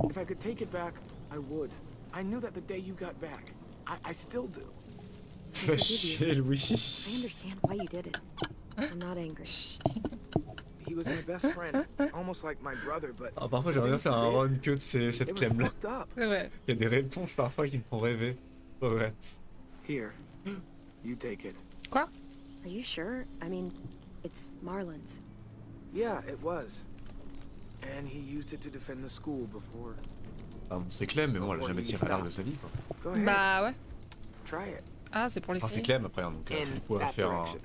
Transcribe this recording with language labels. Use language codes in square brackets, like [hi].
[en] If I could take it back, I would. I knew that the day you got back. I still do. [fr] Fais chier, Louis. [en] I understand why you did it. I'm not angry. He was my best friend, almost like my brother, but... [fr] Ah, parfois j'aimerais bien faire un run que de cette clème là. C'est vrai. Il y a des réponses parfois qui me font rêver. Oh, ouais. [en] Here. You take it. [fr] Quoi? [en] Are you sure? I mean, it's Marlin's. Yeah, it was. And he used it to defend the school before... [fr] Ah bon, c'est clème, mais bon, elle a jamais tiré à l'arc de sa vie, quoi. Bah, ouais. [en] Try it. [fr] Ah, c'est pour les c'est clème, après, donc il faut faire un...